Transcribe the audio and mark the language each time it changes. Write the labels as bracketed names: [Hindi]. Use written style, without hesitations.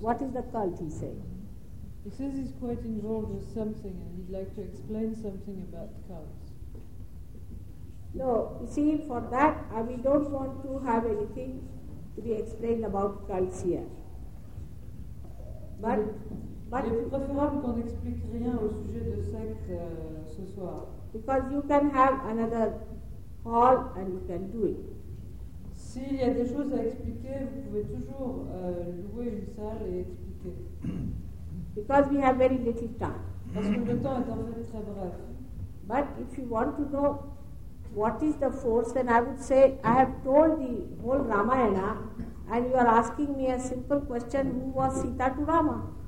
[English] What is the cult, he's saying? He says he's quite involved with something and he'd like to explain something about cults. No, you see, for that, we don't want to have anything to be explained about cults here. But... [French] Il est préférable qu'on n'explique rien au sujet de secte ce soir. [English] Because you can have another call and you can do it. [French] S'il y a des choses à expliquer, vous pouvez toujours louer une salle et expliquer. [English] Because we have very little time. [French] Parce que le temps est en fait très bref. [English] But if you want to know what is the force, then I would say I have told the whole Ramayana and you are asking me a simple question, who was Sita to Rama?